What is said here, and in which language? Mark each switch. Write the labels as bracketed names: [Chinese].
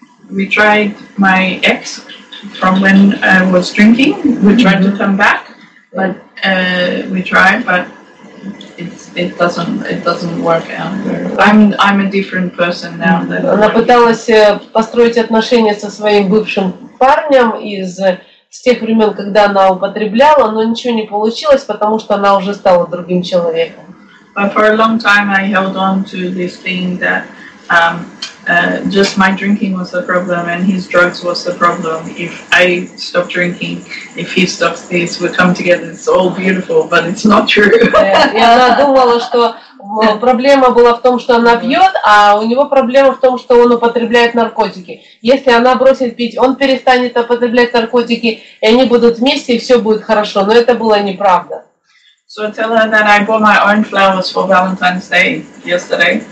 [English] We tried my ex from when I was drinking. We tried to come back, but we tried, but it doesn't work out. I'm a different person now. [Russian] Она пыталась построить отношения со своим бывшим парнем из тех времен, когда она употребляла, но ничего не получилось, потому что она уже стала другим человеком. [English] But for a long time, I held on to this thing that just my drinking was the problem and his drugs was the problem. If I stop drinking, if he stops this, we come together, it's all beautiful, but it's not true. [Russian] И она думала, что проблема была в том, что она пьет, а у него проблема в том, что он употребляет наркотики. Если она бросит пить, он перестанет употреблять наркотики, и они будут вместе, и все будет хорошо. Но это было неправда. [English] So tell her that I bought my own flowers for Valentine's Day yesterday.